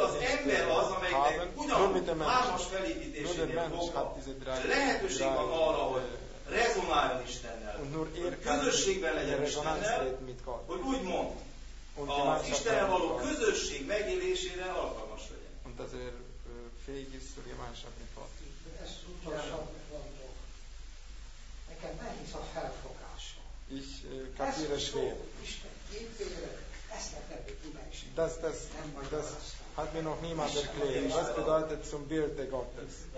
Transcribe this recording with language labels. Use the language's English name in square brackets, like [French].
[Hungarian] az ember az, amelynek ugyanúgy hármas felépítésénél fogva lehetőség van arra, hogy rezonáljon Istennel, hogy közösségben legyen Istennel, hogy úgymond az Istennel való közösség megélésére alkalmas legyen. [German] Und [Hungarian] azért [German] fähig ist zur Gemeinschaft mit Gott. [Hungarian] Ez utolsó mondok. Nekem nehéz a felfogása. [German] Ich kapiere schwer. [Hungarian] Isten képére, ezt nekem [German] das hat mir noch niemand erklärt. Was bedeutet zum Bild der Gottes?